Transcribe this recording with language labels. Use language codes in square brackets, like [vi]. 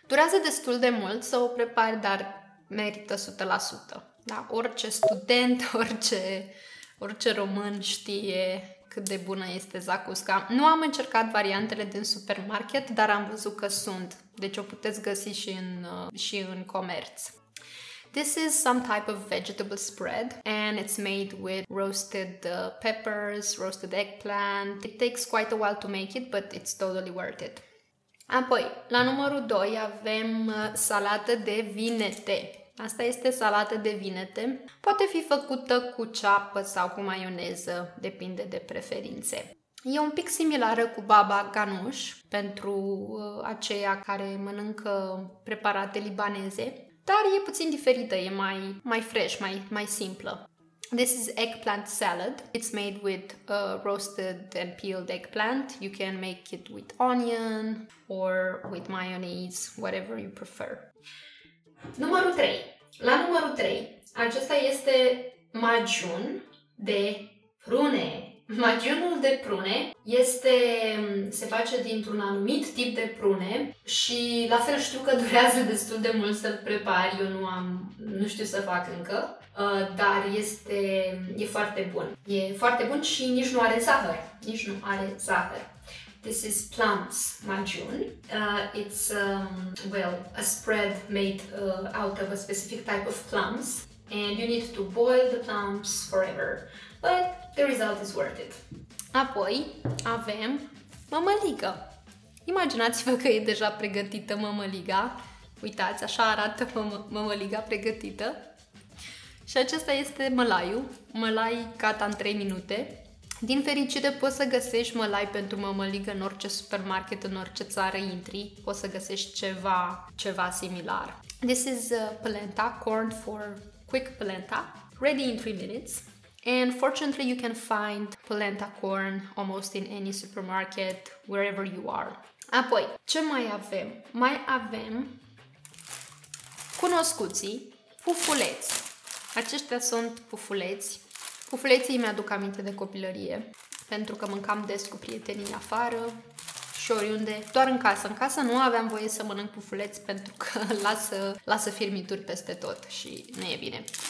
[ro] Durează destul de mult să o prepari, dar merită 100%. Da? Orice student, orice român știe cât de bună este zacusca. Nu am încercat variantele din supermarket, dar am văzut că sunt. Deci o puteți găsi și în comerț. [en] This is some type of vegetable spread and it's made with roasted peppers, roasted eggplant. It takes quite a while to make it, but it's totally worth it. [ro] Apoi, la numărul 2 avem salată de vinete. Asta este salată de vinete. Poate fi făcută cu ceapă sau cu maioneză, depinde de preferințe. E un pic similară cu baba ganoush pentru aceia care mănâncă preparate libaneze, dar e puțin diferită, e mai fresh, mai simplă. [en] This is eggplant salad. It's made with roasted and peeled eggplant. You can make it with onion or with mayonnaise, whatever you prefer. [ro] Numărul 3. La numărul 3, acesta este magiun de prune. Magiunul de prune se face dintr-un anumit tip de prune și la fel știu că durează destul de mult să-l prepari, eu nu știu să fac încă, dar e foarte bun. E foarte bun și nici nu are zahăr. Nici nu are zahăr. [en] This is plants magiun. It's a spread made out of a specific type of plums, and you need to boil the plums forever, but the result is worth it. [ro] Apoi avem mămăligă. Imaginați-vă că e deja pregătită mămăliga. Uitați, așa arată mămăliga pregătită. Și acesta este mălaiul. Mălai gata în 3 minute. Din fericire, poți să găsești mălai pentru mămăligă în orice supermarket, în orice țară intri, poți să găsești ceva similar. [en] This is polenta, corn for quick polenta, ready in 3 minutes. And fortunately, you can find polenta corn almost in any supermarket, wherever you are. [ro] Apoi, ce mai avem? Mai avem cunoscuții, pufuleți. Aceștia sunt pufuleți. Pufuleții mi-aduc aminte de copilărie, pentru că mâncam des cu prietenii afară și oriunde, doar în casă. În casă nu aveam voie să mănânc pufuleți pentru că lasă firmituri peste tot și nu e bine.